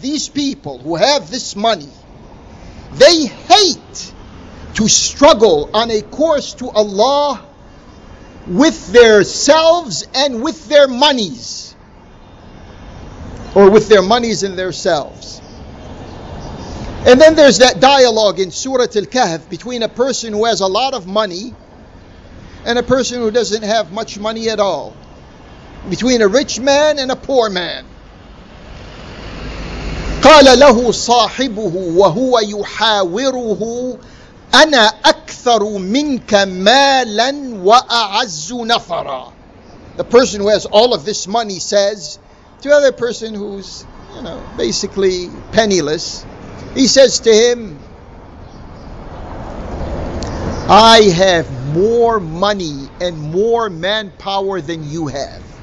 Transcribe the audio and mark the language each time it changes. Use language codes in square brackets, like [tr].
[en] These people who have this money, they hate to struggle on a course to Allah with their selves and with their monies, or with their monies and their selves. And then there's that dialogue in Surah Al-Kahf between a person who has a lot of money and a person who doesn't have much money at all, between a rich man and a poor man. [ar] قال له صاحبه وهو يحاوره أنا أكثر منك مالا وأعز نفرا. [en] The person who has all of this money says to the other person who's, you know, basically penniless, he says to him, I have more money and more manpower than you have.